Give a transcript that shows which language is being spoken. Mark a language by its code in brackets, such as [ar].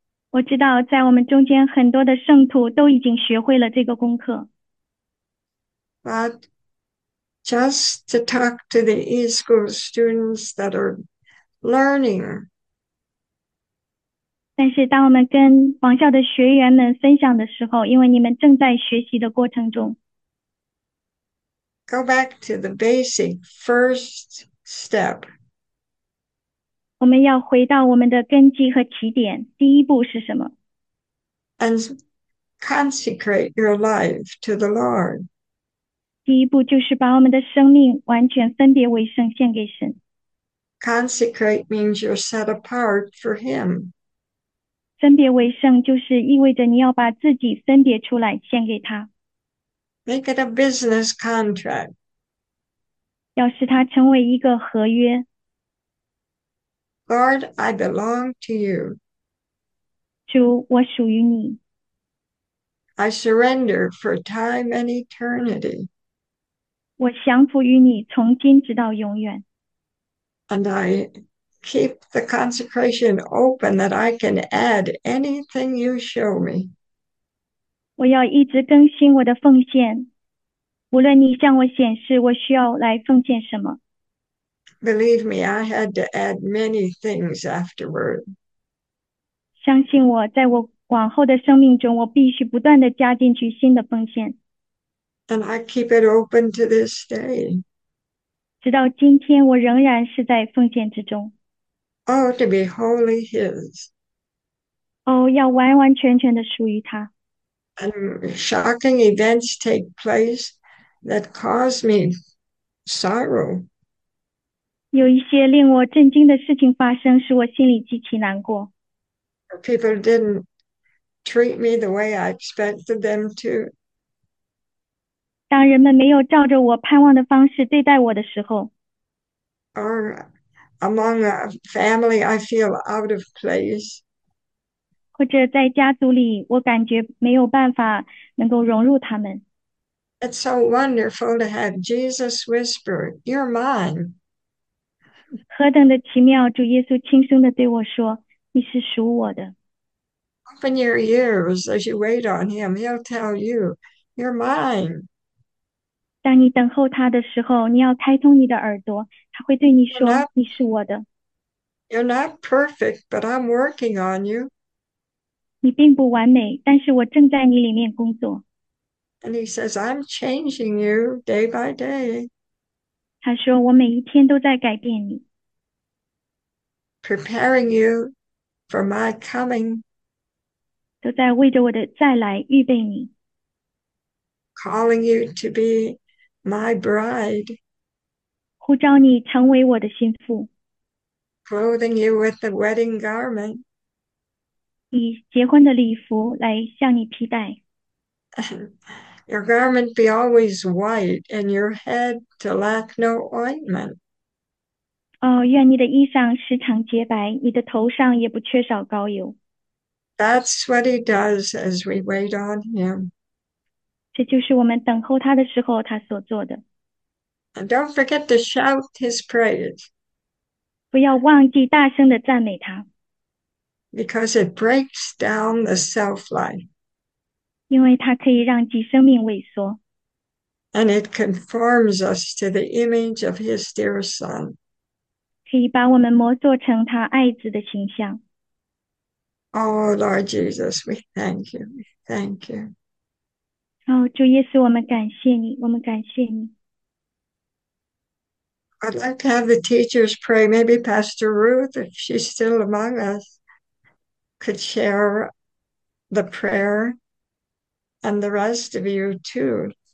[zh] 我知道，在我们中间很多的圣徒都已经学会了这个功课。 [en] But just to talk to the e-school students that are learning. [zh] 但是，当我们跟网校的学员们分享的时候，因为你们正在学习的过程中。 [en] Go back to the basic first step. [zh] 我们要回到我们的根基和起点，第一步是什么？ [en] And consecrate your life to the Lord. [zh] 第一步就是把我们的生命完全分别为圣，献给神。 [en] Consecrate means you're set apart for Him. [zh] 分别为圣就是意味着你要把自己分别出来，献给他。 [en] Make it a business contract. [zh] 要使它成为一个合约。 [en] Lord, I belong to you. [zh] 主，我属于你。 [en] I surrender for time and eternity. [zh] 我降服于你，从今直到永远。 [en] And I keep the consecration open that I can add anything you show me. [zh] 我要一直更新我的奉献，无论你向我显示我需要来奉献什么。 [en] Believe me, I had to add many things afterward. [zh] 相信我，在我往后的生命中，我必须不断的加进去新的奉献。 [en] And I keep it open to this day. [zh] 直到今天，我仍然是在奉献之中。 [en] All to be wholly his. [zh] 哦，要完完全全的属于他。 [en] And shocking events take place that cause me sorrow. [zh] 有一些令我震惊的事情发生，使我心里极其难过。 [en] People didn't treat me the way I expected them to. [zh] 当人们没有照着我盼望的方式对待我的时候， [en] Or among a family, I feel out of place. [zh] 或者在家族里，我感觉没有办法能够融入他们。 [en] It's so wonderful to have Jesus whisper, "You're mine." [zh] 何等的奇妙！主耶稣轻声地对我说：“你是属我的。 [en] Open your ears as you wait on him. He'll tell you, "You're mine." [zh] ”当你等候他的时候，你要开通你的耳朵，他会对你说：“你是我的。 [en] You're not perfect, but I'm working on you. [zh] ”你并不完美，但是我正在你里面工作。 [en] And he says, "I'm changing you day by day." [zh] 他说：“我每一天都在改变你。” [en] Preparing you for my coming. [zh] 都在为着我的再来预备你， [en] Calling you to be my bride, [zh] 呼召你成为我的心腹， [en] clothing you with the wedding garment, [zh] 以结婚的礼服来向你披戴。 [en] your garment be always white, and your head to lack no ointment. [zh] 哦，愿你的衣裳时常洁白，你的头上也不缺少膏油。 [en] That's what he does as we wait on him. [zh] 这就是我们等候他的时候，他所做的。 [en] And don't forget to shout his praise, [zh] 不要忘记大声的赞美他， [en] because it breaks down the self-life. [zh] 因为他可以让己生命萎缩， [en] And it conforms us to the image of his dear son. [zh] 可以把我们磨塑成他爱子的形象。 [en] Oh, Lord Jesus, we thank you. We thank you. [zh] Oh, 主耶稣，我们感谢你，我们感谢你。 [en] I'd like to have the teachers pray. Maybe Pastor Ruth, if she's still among us, could share the prayer, and the rest of you too.